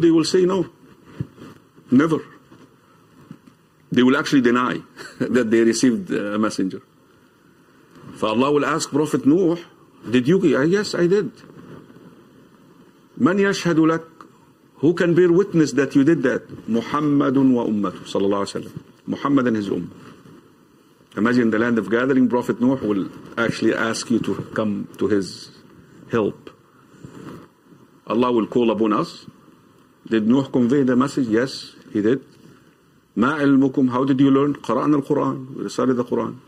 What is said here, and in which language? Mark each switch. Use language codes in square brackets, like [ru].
[en] They will say, no, never. They will actually deny that they received a messenger. Allah will ask Prophet Nuh, did you? Yes, I did. [ar] من يشهد لك? [en] Who can bear witness that you did that? [ar] محمد وأمته صلى الله عليه وسلم. [en] Muhammad and his ummah. Imagine the land of gathering, Prophet Nuh will actually ask you to come to his help. Allah will call upon us. Did Nuh convey the message? Yes, he did. [ar] ما علمكم? [en] How did you learn? [ar] قرأنا القرآن. [en] We recited the Quran.